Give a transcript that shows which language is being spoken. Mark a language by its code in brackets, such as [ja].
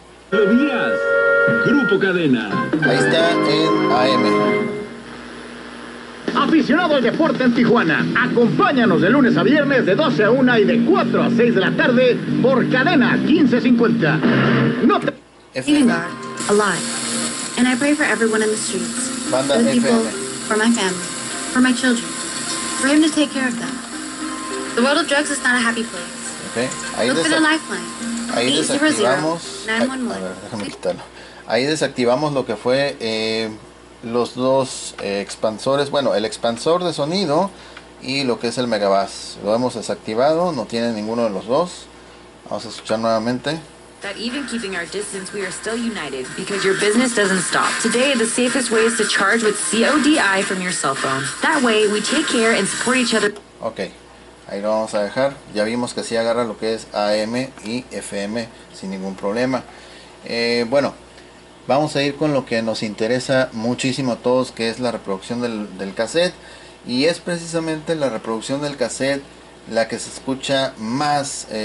[es] Buenos días, Grupo Cadena. Ahí está en AM. Aficionado al deporte en Tijuana, acompáñanos de lunes a viernes de 12 a 1 y de 4 a 6 de la tarde por Cadena 1550. No te... FM. Alive. [en] And I pray for everyone in the streets. Banda FM. For my family. For my children. For him to take care of them. The world of drugs is not a happy place. [es] Okay. Ahí, ahí desactivamos. A ver, déjame quitarlo. Ahí desactivamos lo que fue los dos expansores. Bueno, el expansor de sonido y lo que es el megabass. Lo hemos desactivado, no tiene ninguno de los dos. Vamos a escuchar nuevamente. [en] That even keeping our distance, we are still united because your business doesn't stop. Today, the safest way is to charge with CODI from your cell phone. That way, we take care and support each other. [es] Okay. Ahí lo vamos a dejar. Ya vimos que sí agarra lo que es AM y FM sin ningún problema. Bueno, vamos a ir con lo que nos interesa muchísimo a todos, que es la reproducción del cassette. Y es precisamente la reproducción del cassette la que se escucha más.